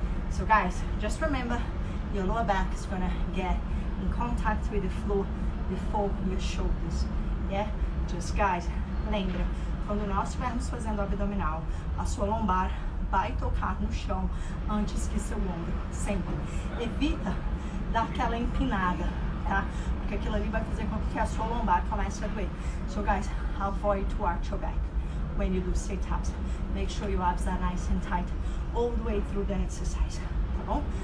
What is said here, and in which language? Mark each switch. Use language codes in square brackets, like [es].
[en] So guys, just remember, your lower back is gonna get in contact with the floor before your shoulders, yeah? Just guys, [pt] lembra, quando nós estivermos fazendo abdominal, a sua lombar vai tocar no chão antes que seu ombro, sempre. Evita dar aquela empinada, tá? Porque aquilo ali vai fazer com que a sua lombar comece a doer. [en] So guys, avoid to arch your back when you do sit-ups. Make sure your abs are nice and tight all the way through the exercise, [pt] tá bom?